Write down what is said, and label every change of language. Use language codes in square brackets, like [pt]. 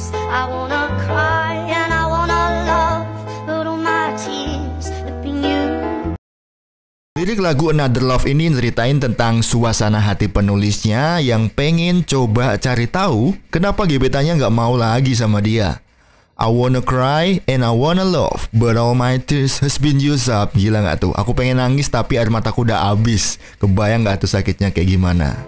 [en] I wanna cry and I wanna love, but all my tears have been you. [id] Lirik lagu Another Love ini ceritain tentang suasana hati penulisnya yang pengen coba cari tahu kenapa gebetannya nggak mau lagi sama dia. [en] I wanna cry and I wanna love, but all my tears has been used up. [id] Gila gak tuh? Aku pengen nangis tapi air mataku udah habis. Kebayang gak tuh sakitnya kayak gimana?